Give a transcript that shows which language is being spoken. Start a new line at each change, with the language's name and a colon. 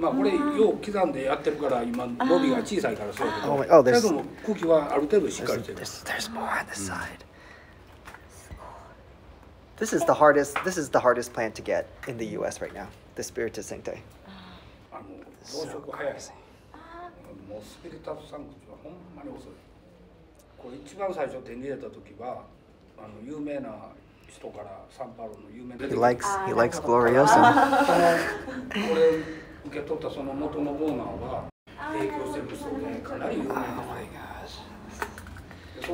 Japanese: これよう刻んでやってるから今伸びが小さいからそうだけど。
English: Oh, there's.
Japanese: でも空気はある程度しっかりしてる。
English: There's more on the side. This is the hardest. This is the hardest plant to get in the U.S. right now. The Spiritus Sancti. So crazy.
Japanese: もうスピリタスサンクチはほんまに遅い。これ一番最初手に入れた時は有名な人からサンパウロの有名な人から
English: He likes Gloriosa
Japanese: これ受け取ったその元のオーナーは影響してる人でかなり有名な人、